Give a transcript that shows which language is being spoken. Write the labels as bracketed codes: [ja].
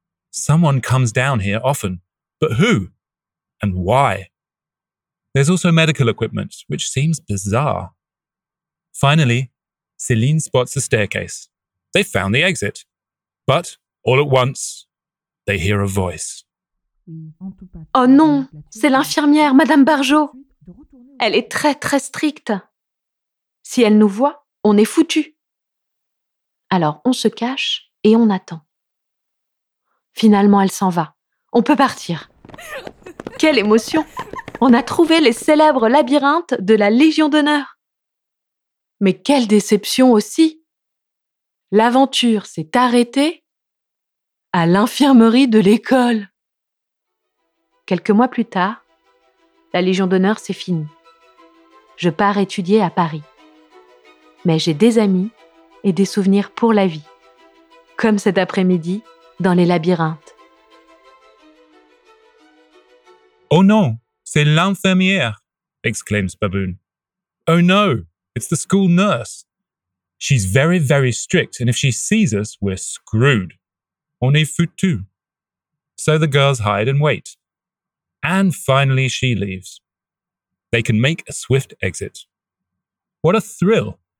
[en] Someone comes down here often, but who and why? There's also medical equipment, which seems bizarre. Finally, Céline spots the staircase. They've found the exit. But, all at once, they hear a voice. [fr] Oh non, c'est l'infirmière, Madame Barjot. Elle est très, très stricte. Si elle nous voit, on est foutus. Alors, on se cache et on attend. Finalement, elle s'en va. On peut partir. Quelle émotion! On a trouvé les célèbres labyrinthes de la Légion d'honneur. Mais quelle déception aussi! L'aventure s'est arrêtée à l'infirmerie de l'école. Quelques mois plus tard, la Légion d'honneur s'est finie. Je pars étudier à Paris. Mais j'ai des amis et des souvenirs pour la vie, comme cet après-midi dans les labyrinthes. Oh non! C'est l'infirmière, [en] exclaims Baboon. Oh no, it's the school nurse. She's very, very strict, and if she sees us, we're screwed. [fr] On est foutus. [en] So the girls hide and wait. And finally she leaves. They can make a swift exit. What a thrill!